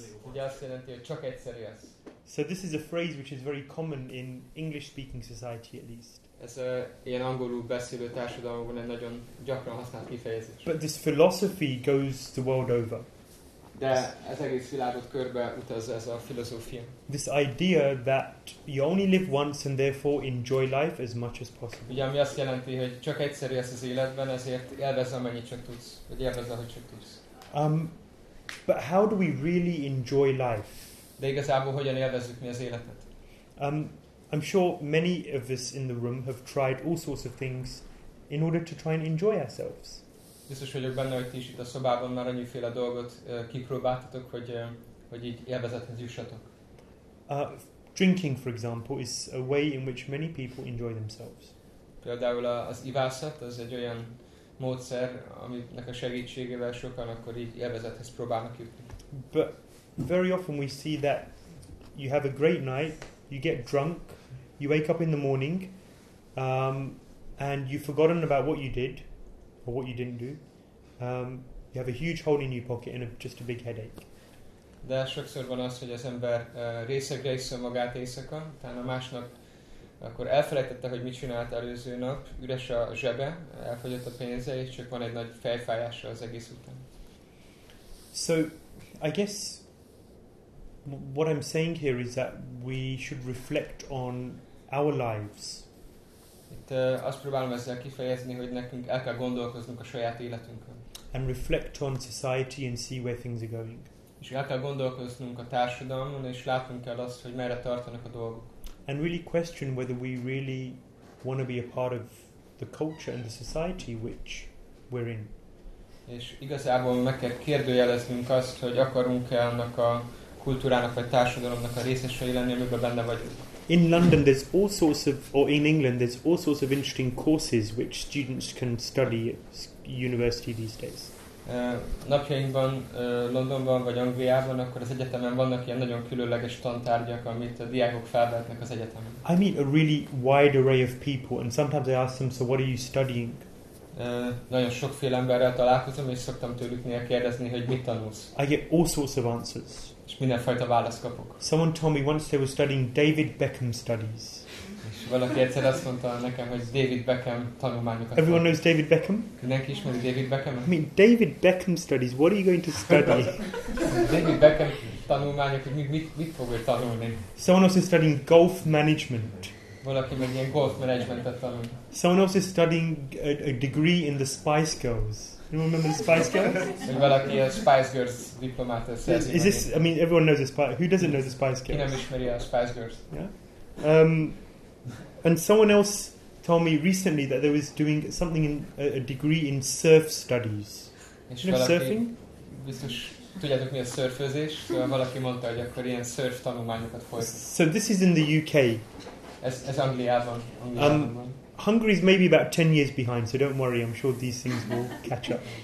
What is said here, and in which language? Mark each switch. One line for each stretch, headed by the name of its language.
Hungarian: Ugye azt jelenti, hogy csak egyszer élsz.
English: So this is a phrase which is very common in English-speaking society at least.
Hungarian: Ez ilyen angolul beszélő társadalomban egy nagyon gyakran használt kifejezés.
English: But this philosophy goes the world over.
Hungarian: De ez egész világot körbe utaz ez a filozófia.
English: This idea that you only live once and therefore enjoy life as much as possible.
Hungarian: Ugye ami azt jelenti, hogy csak egyszer élsz az életben, ezért élvezz, amennyit csak tudsz. Vagy élvezz, ahogy csak tudsz.
English: But how do we really enjoy life?
Hungarian: De igazából hogyan élvezzük mi az életet?
English: I'm sure many of us in the room have tried all sorts of things in order to try and enjoy ourselves.
Hungarian: Biztos vagyok benne, hogy ti is itt a szobában már annyiféle dolgot kipróbáltatok, hogy így élvezethez jussatok.
English: Drinking, for example, is a way in which many people enjoy themselves.
Hungarian: Például az ivászat, az egy olyan módszer, aminek a segítségével sokan akkor így élvezethez próbálnak jutni.
English: But very often we see that you have a great night, you get drunk, you wake up in the morning, and you've forgotten about what you did, or what you didn't do, you have a huge hole in your pocket and just a big headache.
Hungarian: De sokszor van az, hogy az ember részegre iszol magát éjszaka, tehát a másnap akkor elfelejtette, hogy mit csinált előző nap, üres a zsebe, elfogyott a pénze, és csak van egy nagy fejfájása az egész után.
English: So, I guess what I'm saying here is that we should reflect on our lives.
Hungarian: Itt azt próbálom ezzel kifejezni, hogy nekünk el kell gondolkoznunk a saját életünkön.
English: And reflect on society and see where things are going.
Hungarian: És el kell gondolkoznunk a társadalmon, és látnunk kell azt, hogy merre tartanak a dolgok.
English: And really question whether we really want to be a part of the culture and the society which we're in.
Hungarian: És igazából meg kell kérdőjeleznünk azt, hogy akarunk-e annak a kultúrának vagy társadalomnak a részesei lenni, amiben benne vagyunk.
English: In London there's all sorts of, or in England there's all sorts of interesting courses which students can study at university these days.
Hungarian: Napjainkban Londonban vagy Angliában, akkor az egyetemen vannak ilyen nagyon különleges tantárgyak, amit a diákok felvehetnek az egyetemen.
English: I meet a really wide array of people and sometimes I ask them, so what are you studying?
Hungarian: Nagyon sokféle emberrel találkozom, és szoktam tőlük néha kérdezni, hogy mit tanulsz.
English: I get all sorts of answers.
Hungarian: Mindenfajta választ kapok.
English: Someone told me once they were studying David Beckham studies.
Hungarian: És valaki egyszer azt mondta nekem, hogy David Beckham tanulmányokat.
English: Everyone knows David Beckham?
Hungarian: Mindenki ismeri David Beckham-et?
English: I mean, David Beckham studies, what are you going to study?
Hungarian: David Beckham tanulmányok, hogy mit fogja tanulni?
English: Someone else is studying golf management.
Hungarian: Valaki meg ilyen golf managementet tanul.
English: Someone else is studying a degree in the Spice Girls. You remember the Spice Girls?
Hungarian: Vagy valaki a Spice Girls diplomát szerzi.
English: Is this, I mean, everyone knows the Spice, who doesn't know the Spice Girls?
Hungarian: Ki nem ismeri a Spice Girls?
English: Yeah. And someone else told me recently that they was doing something in a degree in surf studies. You know surfing?
Hungarian: Biztos tudjátok mi a szörfözés? Valaki mondta, hogy akkor ilyen szörf tanulmányokat folytat.
English: So this is in the UK.
Hungarian: Ez Angliában.
English: Hungary is maybe about 10 years behind, so don't worry, I'm sure these things will catch up.